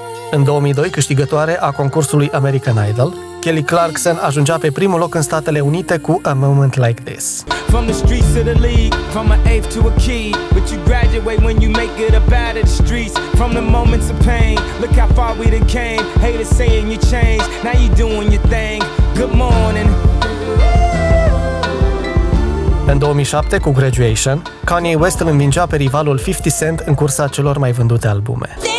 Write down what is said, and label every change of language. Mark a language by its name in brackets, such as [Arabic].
[Romanian] În 2002, câștigătoare a concursului American Idol, Kelly Clarkson ajungea pe primul loc în Statele Unite cu A Moment Like This. [English] From the streets of the league, from an eighth to a key, but you graduate when you make it up out of the streets. From the moments of pain, look how far we done came. Haters saying you changed, now you doing your thing. Good morning. [Romanian] În 2007, cu Graduation, Kanye West îl învingea pe rivalul 50 Cent în cursa celor mai vândute albume.